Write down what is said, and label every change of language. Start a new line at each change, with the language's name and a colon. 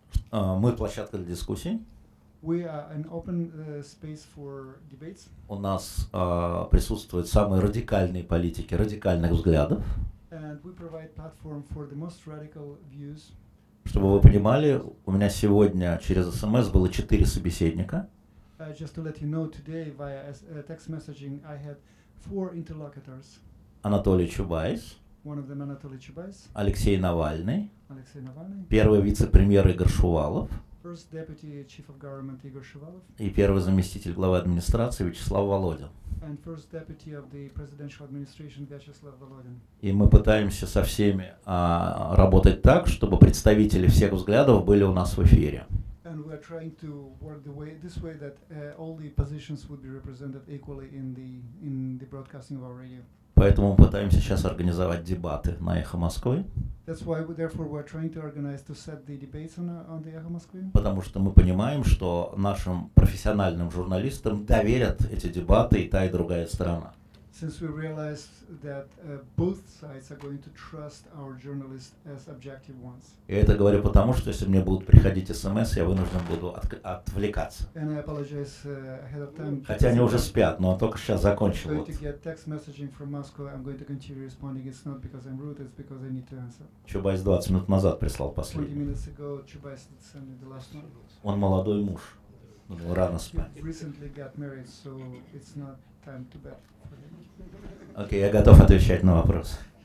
Russian: Мы площадка для дискуссий.
English: We are an open space for debates.
Russian: У нас присутствуют самые радикальные политики, радикальных взглядов.
English: And we provide platform for the most radical views.
Russian: Чтобы вы понимали, у меня сегодня через SMS было 4 собеседника.
English: Just to let you know, today via text messaging I had 4 interlocutors.
Russian: Анатолий Чубайс.
English: One of them, Анатолий Чубайс.
Russian: Алексей Навальный. Алексей Навальный. Первый вице-премьер Игорь Шувалов.
English: First deputy chief of government Igor Shuvalov.
Russian: И первый заместитель главы администрации Вячеслав Володин.
English: And first deputy of the presidential administration Вячеслав Володин.
Russian: И мы пытаемся со всеми работать так, чтобы представители всех взглядов были у нас в эфире.
English: And we are trying to work the way this way that all the positions would be represented equally in the broadcasting of our radio.
Russian: Поэтому мы пытаемся сейчас организовать дебаты на Эхо Москвы.
English: That's why we, therefore, we're trying to organize to set the debates on the Echo Moscow.
Russian: Потому что мы понимаем, что нашим профессиональным журналистам доверят эти дебаты и та, и другая сторона.
English: Since we realize that both sides are going to trust our journalists as objective ones.
Russian: Я это говорю потому, что если мне будут приходить SMS, я вынужден буду отвлекаться.
English: And I apologize ahead of time.
Russian: Хотя они уже спят, но только сейчас закончил.
English: I'm going to get text messaging from Moscow. I'm going to continue responding. It's not because I'm rude, it's because I need to answer.
Russian: Чубайс 20 минут назад прислал последний.
English: 20 minutes ago, Чубайс sent me the last one.
Russian: Он молодой муж. Ну, рано спать.
English: He recently got married, so it's not time to bed.
Russian: Окей, я готов отвечать на вопрос.